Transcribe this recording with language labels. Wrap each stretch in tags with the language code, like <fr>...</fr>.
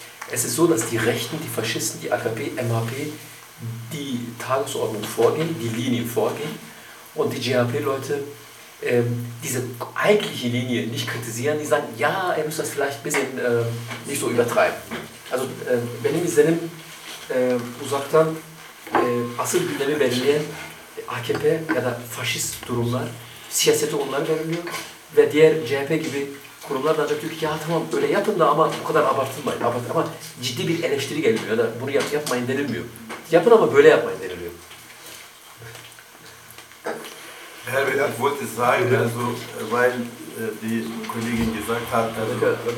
<de>Es ist so, dass die Rechten, die Faschisten, die AKP, MHP, die Tagesordnung vorgehen, die Linie vorgehen und die CHP-Leute diese eigentliche Linie nicht kritisieren. Die sagen, ja, ihr müsst das vielleicht ein bisschen nicht so übertreiben. Also</de> <tr>Benjamin Selim uzaktan asıl gündemi belirleyen AKP ya da faşist durumlar, siyaseti onlar belirliyor ve diğer CHP gibi kurumlar da diyor ki ya tamam öyle yapın da ama bu kadar abartılmayın, ama ciddi bir eleştiri gelmiyor ya da bunu yapmayın denilmiyor. Yapın ama böyle yapmayın deniliyor.</tr> <de>Herbert, ich wollte sagen, also weil die Kollegin gesagt hat, also</de>